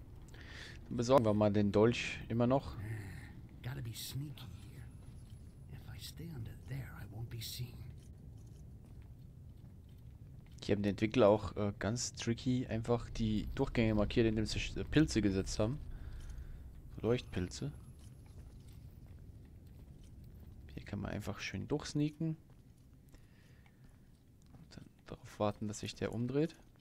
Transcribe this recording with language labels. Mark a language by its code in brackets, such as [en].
[de] Dann besorgen wir mal den Dolch immer noch. [en] Gotta be sneaky here. If I stay under there, I won't be seen. [de] Die haben die Entwickler auch ganz tricky einfach die Durchgänge markiert, indem sie Pilze gesetzt haben. Leuchtpilze. Hier kann man einfach schön durchsneaken. Und dann darauf warten, dass sich der umdreht.